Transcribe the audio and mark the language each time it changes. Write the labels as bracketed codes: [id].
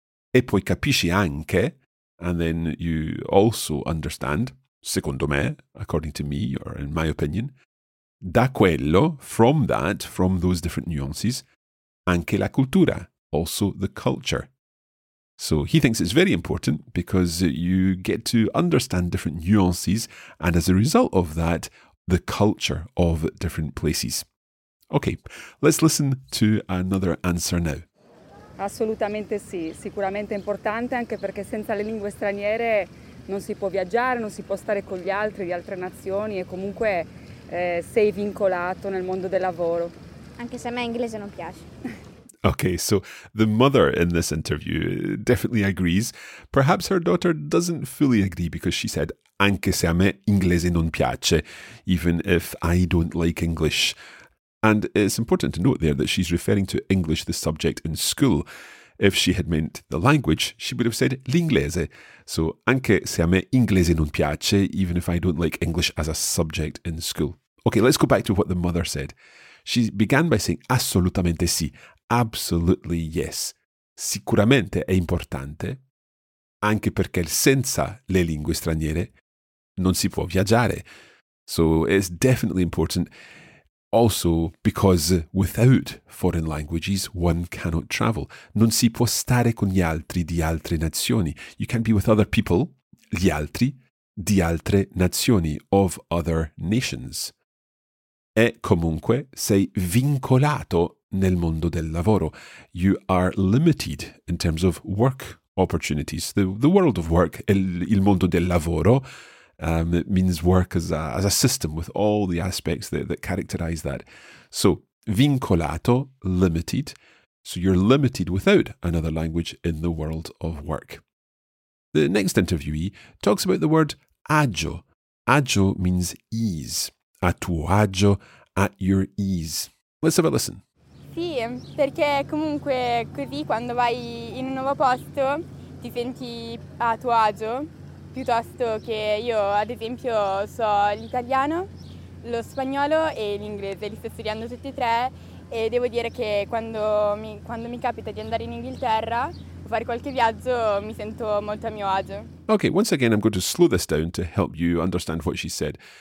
[it] e poi capisci anche, [en] and then you also understand, [it] secondo me, [en] according to me, or in my opinion, [it] da quello, [en] from that, from those different nuances, [it] anche la cultura, [en] also the culture. So he thinks it's very important because you get to understand different nuances, and as a result of that, the culture of different places. Okay, let's listen to another answer now. [it] Assolutamente sì, sicuramente importante anche perché senza le lingue straniere non si può viaggiare, non si può stare con gli altri di altre nazioni e comunque sei vincolato nel mondo del lavoro. Anche se a me inglese non piace. [en] Okay, so the mother in this interview definitely agrees. Perhaps her daughter doesn't fully agree because she said, [it] anche se a me inglese non piace, [en] even if I don't like English. And it's important to note there that she's referring to English, the subject in school. If she had meant the language, she would have said l'inglese. So, [it] anche se a me inglese non piace, [en] even if I don't like English as a subject in school. Okay, let's go back to what the mother said. She began by saying [it] assolutamente sì, [en] absolutely yes. [it] Sicuramente è importante, anche perché senza le lingue straniere non si può viaggiare. [en] So, it's definitely important. Also, because without foreign languages, one cannot travel. [it] Non si può stare con gli altri di altre nazioni. [en] You can't be with other people, [it] gli altri, di altre nazioni, [en] of other nations. [it] E comunque sei vincolato nel mondo del lavoro. [en] You are limited in terms of work opportunities. The world of work, [it] il mondo del lavoro, [en] It means work as a system with all the aspects that characterize that. So, vincolato, limited. So you're limited without another language in the world of work. The next interviewee talks about the word agio. Agio means ease. A tuo agio, at your ease. Let's have a listen. [it] Sì, perché comunque così quando vai in un nuovo posto ti senti a tuo agio, piuttosto che io ad esempio so l'italiano, lo spagnolo e l'inglese, li sto studiando tutti e tre e devo dire che quando mi capita di andare in Inghilterra o fare qualche viaggio mi sento molto a mio agio. [en] Ok, once again I'm going to slow this down to help you understand what she said.